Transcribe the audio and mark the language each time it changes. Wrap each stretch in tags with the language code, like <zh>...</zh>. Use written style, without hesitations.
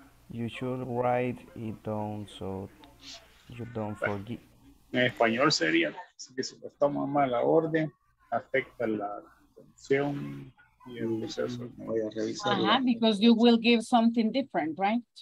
<en>You should write it down so you don't forget.</en> <es>En español sería que si lo toma mal la orden afecta la atención y el proceso. Voy a revisar.</es> <en>Ajá, because you will give something different, right?</en>